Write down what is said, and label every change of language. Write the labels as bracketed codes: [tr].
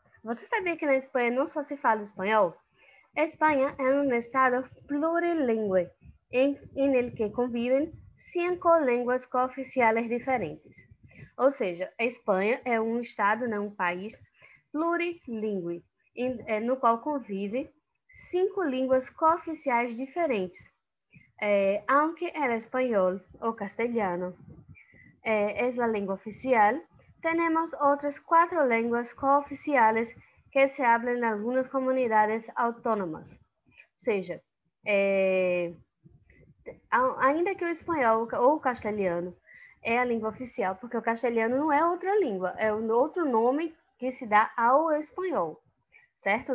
[pt] Você sabia que na Espanha não só se fala espanhol? Espanha é um estado plurilingüe, em que convivem cinco línguas cooficiais diferentes. Ou seja, a Espanha é um estado, né, um país plurilingüe, no qual convivem cinco línguas cooficiais diferentes. [es] Aunque el español o castellano es la lengua oficial, tenemos otras cuatro lenguas cooficiales que se hablan en algunas comunidades autónomas. O sea, [pt] Ainda que o espanhol ou o castelhano é a língua oficial, porque o castelhano não é outra língua, é outro nome que se dá ao espanhol, certo?